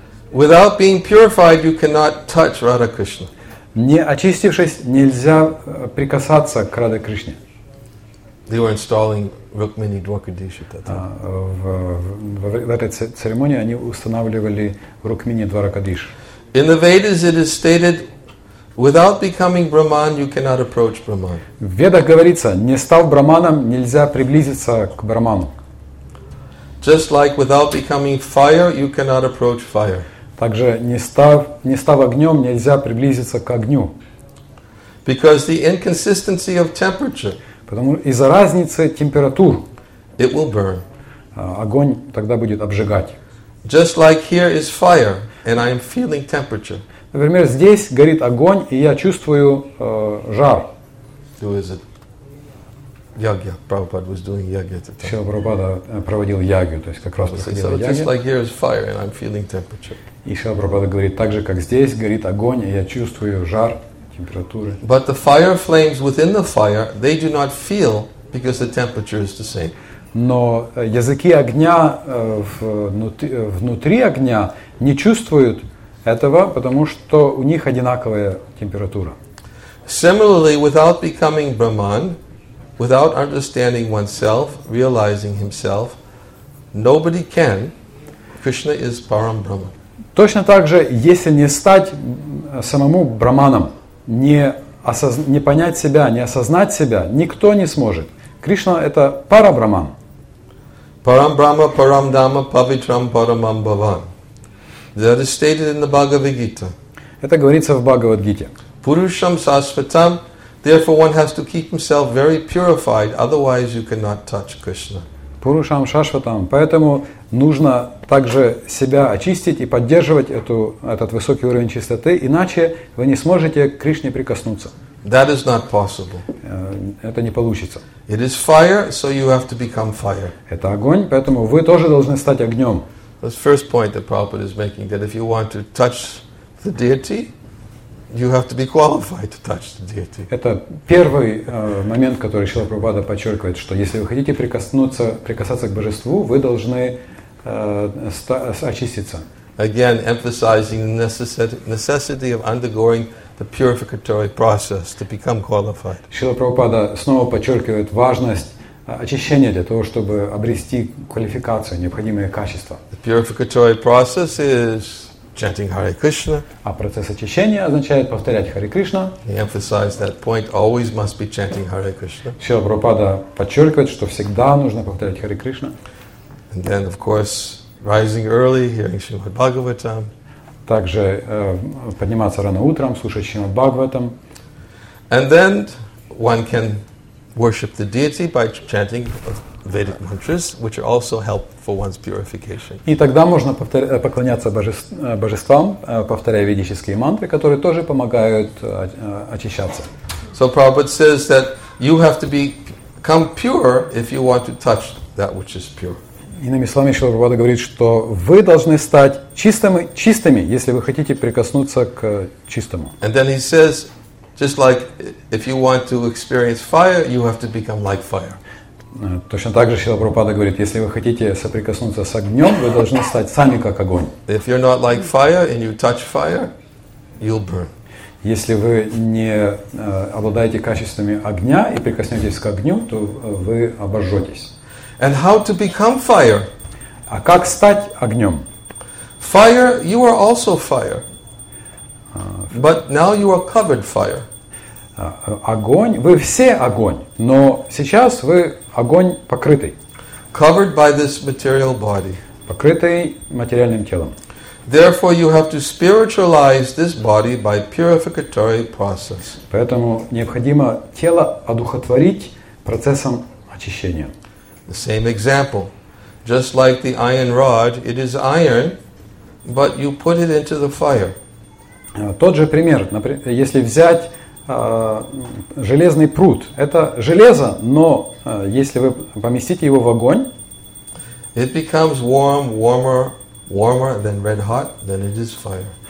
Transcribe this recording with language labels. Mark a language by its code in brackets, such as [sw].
[en] Without being purified, you cannot touch Radha Krishna. [ru] Не очистившись, нельзя прикасаться к Радхе Кришне. [en] They were installing Rukmini Dwarkadish at that time. [ru] В этой церемонии они устанавливали Rukmini Dwarkadish. [en] In the Vedas, it is stated, without becoming Brahman, you cannot approach Brahman. [ru] В Ведах говорится, не став Брахманом, нельзя приблизиться к Брахману. [en] Just like without becoming fire, you cannot approach fire. [ru] Также не став огнем, нельзя приблизиться к огню. [en] Because the inconsistency of temperature. [ru] Потому из-за разницы температур. [en] It will burn. [ru] Огонь тогда будет обжигать. [en] Just like here is fire, and I am feeling temperature. [ru] Например, здесь горит огонь, и я чувствую жар. [en] Who is it? Ягья. Прабхупада was doing ягья. [ru] Шрила Прабхупада проводил ягью, то есть как раз проходил ягья. [en] Just like here is fire, and I'm feeling temperature. [ru] И Шрила Прабхупада говорит, так же, как здесь горит огонь, и я чувствую жар, температуры. [en] But the fire flames within the fire, they do not feel, because the temperature is the same. [ru] Но языки огня внутри огня не чувствуют этого, потому что у них одинаковая температура. [en] Similarly, without becoming Brahman, without understanding oneself, realizing himself, nobody can. Krishna is Param Brahman. [ru] Точно так же, если не стать самому Брахманом, не понять себя, не осознать себя, никто не сможет. Кришна — это Парабрахман. [sa] Парам Брахма, Парам Дама, Павитрам Парамам Бхаван. [en] That is stated in the Бхагавад-гита. [ru] Это говорится в Бхагавад-гите. [sa] Пурушам Сасватам. [en] Therefore, one has to keep himself very purified, otherwise you cannot touch Krishna. [sa] Пурушам Шашватам. [ru] Поэтому нужно также себя очистить и поддерживать этот высокий уровень чистоты, иначе вы не сможете к Кришне прикоснуться. [en] That is not possible. [ru] Это не получится. [en] It is fire, so you have to become fire. [ru] Это огонь, поэтому вы тоже должны стать огнем. [en] The first point that Prabhupada is making, that if you want to touch the deity, you have to be qualified to touch the deity. [ru] Это первый момент, который Шрила Прабхупада подчеркивает, что если вы хотите прикасаться к божеству, вы должны очиститься. [en] Again, emphasizing the necessity of undergoing the purificatory process to become qualified. [ru] Шрила Прабхупада снова подчеркивает важность очищения для того, чтобы обрести квалификацию, необходимые качества. [en] The purificatory process is chanting Hare Krishna. [ru] А процесс очищения означает повторять Харе Кришна. [en] He emphasized that point, always must be chanting Hare Krishna. [ru] Шрила Прабхупада подчеркивает, что всегда нужно повторять Харе Кришна. [en] And then, of course, rising early, hearing Srimad Bhagavatam. [ru] Также подниматься рано утром, слушать Шримад Бхагаватам. [en] And then one can worship the deity by chanting Vedic mantras, which are also help for one's purification. [ru] И тогда можно поклоняться божествам, повторяя ведические мантры, которые тоже помогают очищаться. [en] So Prabhupada says that you have to become pure if you want to touch that which is pure. [ru] Иными словами, Шрила Прабхупада говорит, что вы должны стать чистыми, если вы хотите прикоснуться к чистому. [en] And then he says, just like if you want to experience fire, you have to become like fire. [ru] Точно так же Шрила Прабхупада говорит, если вы хотите соприкоснуться с огнем, вы должны стать сами как огонь. [en] If you're not like fire and you touch fire, you'll burn. [ru] Если вы не обладаете качествами огня и прикоснетесь к огню, то вы обожжетесь. [en] And how to become fire? [ru] А как стать огнем? [en] Fire, you are also fire. But now you are covered fire. [ru] Огонь, вы все огонь, но сейчас вы огонь покрытый. [en] Covered by this material body. [ru] Покрытый материальным телом. [en] Therefore, you have to spiritualize this body by purificatory process. [ru] Поэтому необходимо тело одухотворить процессом очищения. [en] The same example. Just like the iron rod, it is iron, but you put it into the fire. [ru] Тот же пример. Например, если взять железный пруд. Это железо, но если вы поместите его в огонь, [en] it becomes warm, warmer than red hot, then it is fire.